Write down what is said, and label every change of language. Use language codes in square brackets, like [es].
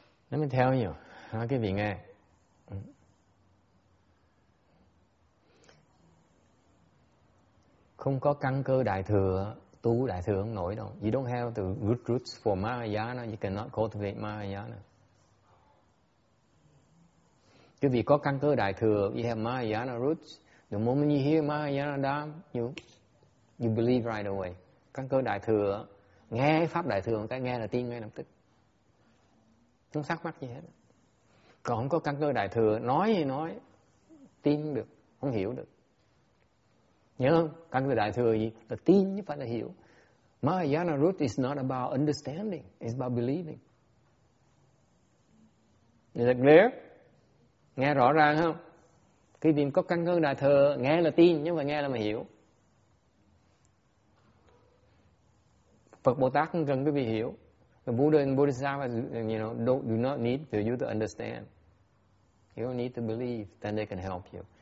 [en] Let me tell you, [vi] nói cái vị nghe. Không có căn cơ đại thừa, tu đại thừa không nổi đâu. [en] You don't have the good roots for Mahayana, you cannot cultivate Mahayana. [vi] Cái vị có căn cơ đại thừa, [en] you have Mahayana roots. The moment you hear Mahayana Dham, you believe right away. [vi] Căn cơ đại thừa, nghe pháp đại thừa, cái nghe là tin ngay lập tức. Không sắc mắc gì hết. Còn không có căn cơ đại thừa, nói thì nói, tin được, không hiểu được. Nhớ không? Căn cơ đại thừa gì? Là tin chứ phải là hiểu. [en] Mahayana root is not about understanding, it's about believing. Is that clear? [vi] Nghe rõ ràng không? Khi mình có căn cơ đại thừa, nghe là tin, nhưng mà nghe là mà hiểu. Phật Bồ Tát không cần quý vị hiểu. [en] The Buddha and Bodhisattva, you know, do not need for you to understand. You don't need to believe, then they can help you.